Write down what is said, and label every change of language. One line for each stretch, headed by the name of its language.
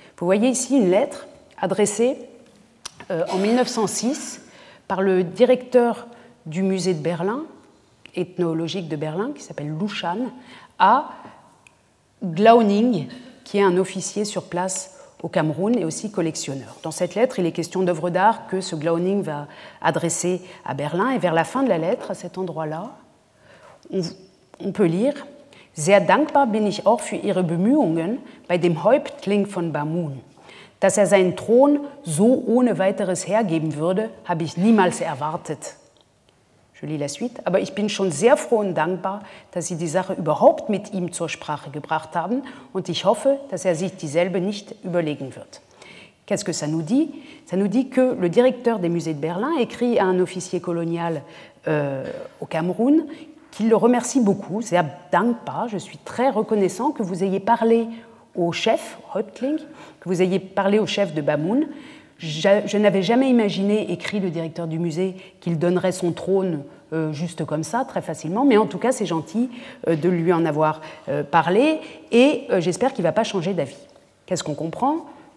French: Vous voyez ici une lettre adressée en 1906 par le directeur du musée de Berlin, ethnologique de Berlin, qui s'appelle Luschan, à Glauning, qui est un officier sur place au Cameroun et aussi collectionneur. Dans cette lettre, il est question d'œuvres d'art que ce Glauning va adresser à Berlin. Et vers la fin de la lettre, à cet endroit-là, on peut lire «
German: Sehr dankbar bin ich auch für Ihre Bemühungen bei dem Häuptling von Bamun. Dass seinen Thron so ohne weiteres hergeben würde, habe ich niemals erwartet. »
French: Je lis la suite.
German: « Aber ich bin schon sehr froh und dankbar, dass Sie die Sache überhaupt mit ihm zur Sprache gebracht haben und ich hoffe, dass sich dieselbe nicht überlegen wird. »
French: Qu'est-ce que ça nous dit? Ça nous dit que le directeur des musées de Berlin écrit à un officier colonial au Cameroun qu'il le remercie beaucoup, «
German: sehr dankbar
French: », je suis très reconnaissant que vous ayez parlé au chef, Häuptling, que vous ayez parlé au chef de Bamun. Je n'avais jamais imaginé, écrit le directeur du musée, qu'il donnerait son trône juste comme ça, très facilement, mais en tout cas, c'est gentil de lui en avoir parlé, et j'espère qu'il ne va pas changer d'avis. Qu'est-ce qu'on comprend?